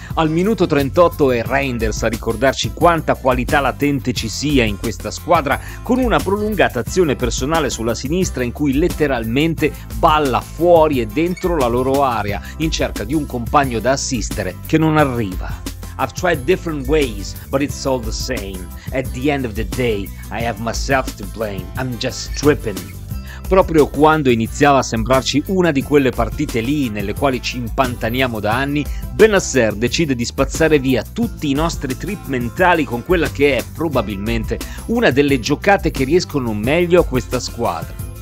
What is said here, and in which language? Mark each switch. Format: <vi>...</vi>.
<it>Al minuto 38 è Reinders a ricordarci quanta qualità latente ci sia in questa squadra con una prolungata azione personale sulla sinistra in cui letteralmente balla fuori e dentro la loro area in cerca di un compagno da assistere che non arriva.</it> <en>I've tried different ways, but it's all the same. At the end of the day, I have myself to blame. I'm just tripping.</en> <it>Proprio quando iniziava a sembrarci una di quelle partite lì nelle quali ci impantaniamo da anni, Bennacer decide di spazzare via tutti i nostri trip mentali con quella che è, probabilmente, una delle giocate che riescono meglio a questa squadra.</it>